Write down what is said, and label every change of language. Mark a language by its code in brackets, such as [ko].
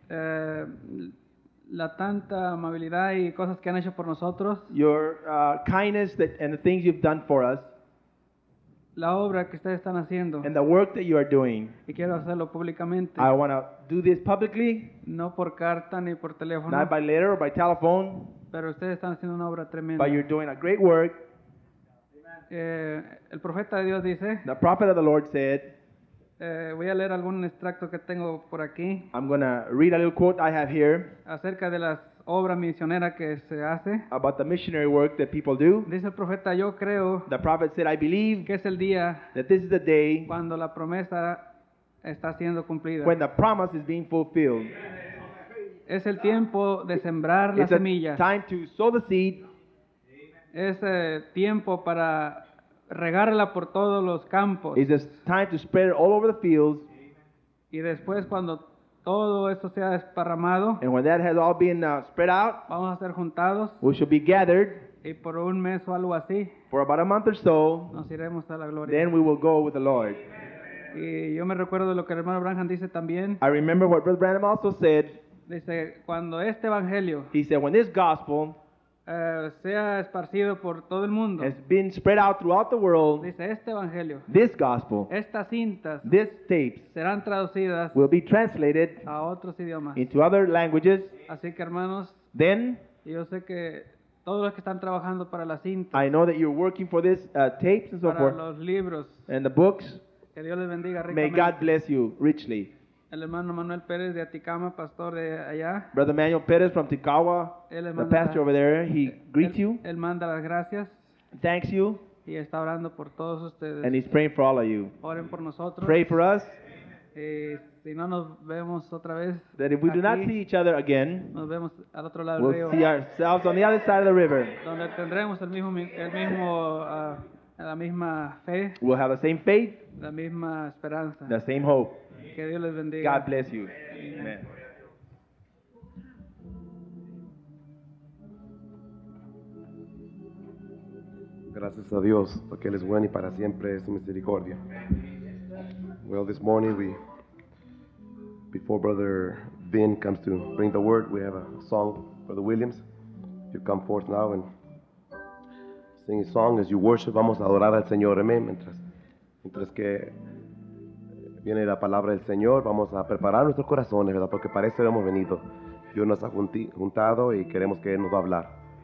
[es] la tanta amabilidad y cosas que han hecho por nosotros. [en] Your kindness that, and the things you've done for us. [es] La obra que ustedes están haciendo. [en] And the work that you are doing. [es] Y quiero hacerlo públicamente. [en] I want to do this publicly. [es] No por carta ni por teléfono. [en] Not by letter or by telephone. [es] Pero ustedes están haciendo una obra tremenda. [en] But you're doing a great work. [es] El profeta de Dios dice. [en] The prophet of the Lord said. [es] Voy a leer algún extracto que tengo por aquí. [en] I'm going to read a little quote I have here. [es] Acerca de las obras misioneras que se hace. [en] About the missionary work that people do. [es] Dice el profeta, yo creo. [en] The prophet said, I believe. [es] Que es el día. [en] That this is the day. [es] Cuando la promesa está siendo cumplida. [en] When the promise is being fulfilled. [es] Es el tiempo de sembrar la semilla. [en] It's a time to sow the seed. [es] Es tiempo para regarla por todos los campos. [en] It's a time to spread it all over the fields. [es] Y después cuando todo esto sea desparramado. [en] And when that has all been spread out. [es] Vamos a ser juntados. [en] We shall be gathered. [es] Y por un mes o algo así. [en] For about a month or so. [es] Nos iremos a la gloria. [en] Then we will go with the Lord. [es] Y yo me recuerdo lo que el hermano Branham dice también. [en] I remember what Brother Branham also said. [es] Dice, cuando este evangelio, [en] he said, when this gospel [es] sea esparcido por todo el mundo, [en] has been spread out throughout the world, [es] dice, este evangelio, [en] this gospel, [es] estas cintas, [en] these tapes, [es] serán traducidas, [en] will be translated [es] a otros idiomas, [en] into other languages. [es] Así que, hermanos, [en] then, [es] yo sé que todos los que están trabajando para las cintas, [en] I know that you're working for these tapes and so [es] para [en] forth, [es] los libros, [en] and the books, [es] que Dios les bendiga ricamente. [en] May God bless you richly. [es] El hermano Manuel Pérez de Atikama, pastor de allá. [en] Brother Manuel Pérez from Tikawa, [es] él [en] the pastor over there, he greets you. [es] Él manda las gracias. [en] Thanks you. [es] Y está orando por todos ustedes. [en] And he's praying for all of you. [es] Oren por nosotros. [en] Pray for us. [es] Y si no nos vemos otra vez. [en] That if we [es] aquí, [en] do not see each other again, [es] nos vemos al otro lado [en] we'll [es] del río. [en] We'll see ourselves on the other side of the river. [es] Donde tendremos el mismo la misma fe. [en] We'll have the same faith. [es] La misma esperanza. [en] The same hope. [es] Que Dios les bendiga. [en] God bless you. Amen. [es] Gracias a Dios, porque Él es bueno y para siempre es su misericordia. [en] Well, this morning we, before Brother Vin comes to bring the word, we have a song, Brother Williams. You come forth now and sing a song as you worship. [es] Vamos a adorar al Señor, amén. Mientras que viene la palabra del Señor, vamos a preparar nuestros corazones, ¿verdad? Porque parece que hemos venido. Dios nos ha juntado y queremos que Él nos va a hablar.